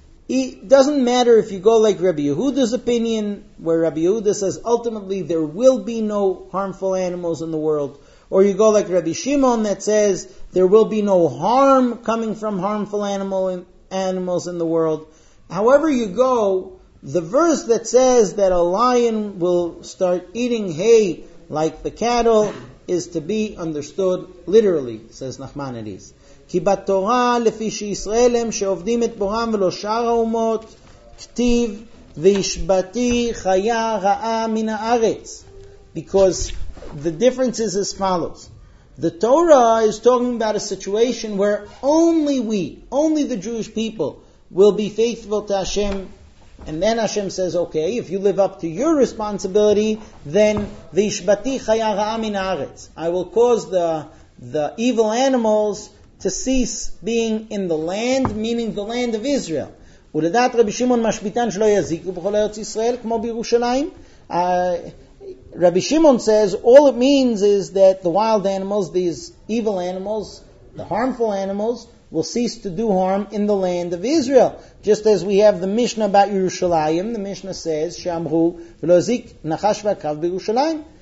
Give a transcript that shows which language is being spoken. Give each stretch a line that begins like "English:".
English: It doesn't matter if you go like Rabbi Yehuda's opinion, where Rabbi Yehuda says ultimately there will be no harmful animals in the world, or you go like Rabbi Shimon that says there will be no harm coming from harmful animals in the world. However you go, the verse that says that a lion will start eating hay like the cattle is to be understood literally, says Nachmanides.
Hebrew: כי בתורה לפי שישראל הם שעובדים את בורם ולא שאר האומות כתיב וישבתי חיה רעה מן הארץ.
English: Because the difference is as follows. The Torah is talking about a situation where only we, only the Jewish people, will be faithful to Hashem And then Hashem says, okay, if you live up to your responsibility, then
Hebrew: v'ishbati chaya ra'a min ha'aretz,
English: I will cause the evil animals to cease being in the land, meaning the land of Israel.
Hebrew: ולדעת רבי שמעון משביתן שלא יזיקו בכל ארץ ישראל כמו בירושלים.
English: Rabbi Shimon says all it means is that the wild animals, these evil animals, the harmful animals, will cease to do harm in the land of Israel. Just as we have the Mishnah about Yerushalayim, the Mishnah says,
Hebrew: Shamru v'lozik nachash v'akav b'Yerushalayim.